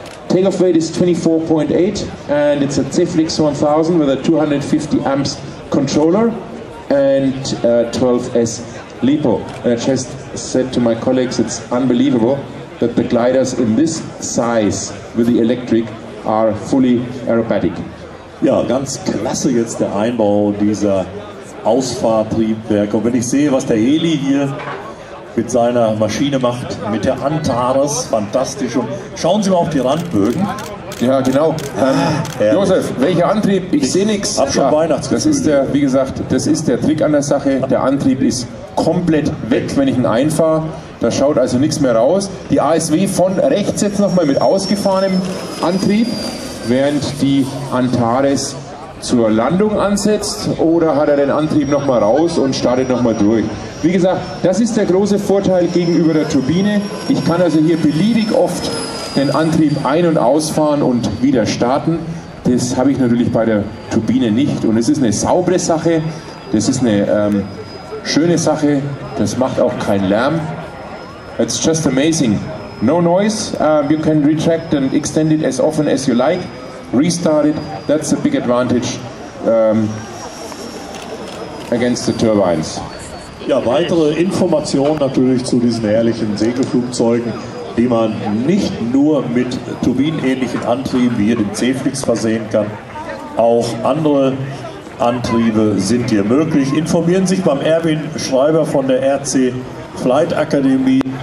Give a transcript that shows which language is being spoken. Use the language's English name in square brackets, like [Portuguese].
[English] Takeoff weight is 24.8, and it's a C-Flix 1000 with a 250 amps controller and 12S LiPo. And I just said to my colleagues, it's unbelievable that the gliders in this size with the electric are fully aerobatic. [German] Ja, ganz klasse jetzt der Einbau dieser Ausfahrtriebwerke. Und wenn ich sehe, was der Heli hier mit seiner Maschine macht, mit der Antares, fantastisch. Und schauen Sie mal auf die Randbögen. Ja, genau. Josef, welcher Antrieb? Ich sehe nichts. Hab schon Weihnachtsgefühl. Das ist der, wie gesagt, das ist der Trick an der Sache. Der Antrieb ist komplett weg, wenn ich ihn einfahre. Da schaut also nichts mehr raus. Die ASW von rechts jetzt nochmal mit ausgefahrenem Antrieb, während die Antares zur Landung ansetzt, oder hat er den Antrieb nochmal raus und startet nochmal durch. Wie gesagt, das ist der große Vorteil gegenüber der Turbine. Ich kann also hier beliebig oft den Antrieb ein- und ausfahren und wieder starten. Das habe ich natürlich bei der Turbine nicht. Und es ist eine saubere Sache, das ist eine schöne Sache, das macht auch keinen Lärm. [English] It's just amazing. No noise, you can retract and extend it as often as you like. Restart it, that's a big advantage against the turbines. [German] Ja, weitere Informationen natürlich zu diesen herrlichen Segelflugzeugen, die man nicht nur mit turbinenähnlichen Antrieben wie hier dem C-Flix versehen kann. Auch andere Antriebe sind hier möglich. Informieren Sie sich beim Erwin Schreiber von der RC Flight Academy.